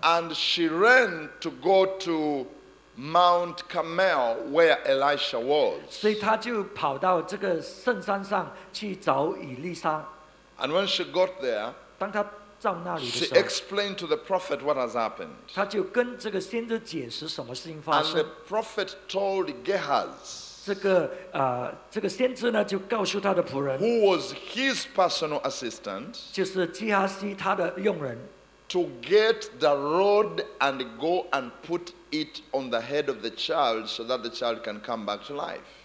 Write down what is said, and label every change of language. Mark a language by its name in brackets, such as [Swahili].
[English] And she ran to go to Mount Carmel where Elisha was. [Chinese] 所以她就跑到这个圣山上去找以利沙。 [English] And when she got there, she explained to the prophet what has happened. And the prophet told Gehaz, who was his personal assistant, to get the rod and go and put it on the head of the child so that the child can come back to life.